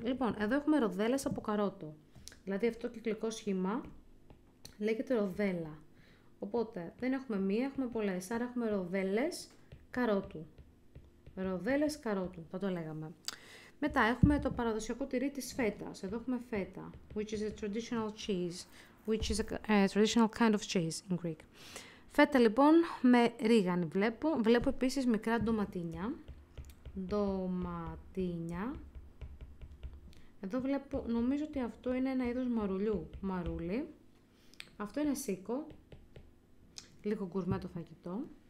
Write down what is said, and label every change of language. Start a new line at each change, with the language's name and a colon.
Greek: Λοιπόν, εδώ έχουμε ροδέλες από καρότο. Δηλαδή αυτό το κυκλικό σχήμα λέγεται ροδέλα. Οπότε δεν έχουμε μία, έχουμε πολλές. Άρα έχουμε ροδέλες καρότου. Ροδέλες καρότου, θα το λέγαμε. Μετά έχουμε το παραδοσιακό τυρί της φέτας. Εδώ έχουμε φέτα,
English: which is a traditional cheese, which is a traditional kind of cheese in Greek.
Greek: Φέτα λοιπόν με ρίγανη βλέπω. Βλέπω επίσης μικρά ντοματίνια. Ντοματίνια. Εδώ βλέπω, νομίζω ότι αυτό είναι ένα είδος μαρουλιού. Μαρούλι. Αυτό είναι σίκο. Λίγο γκουρμέ το φαγητό.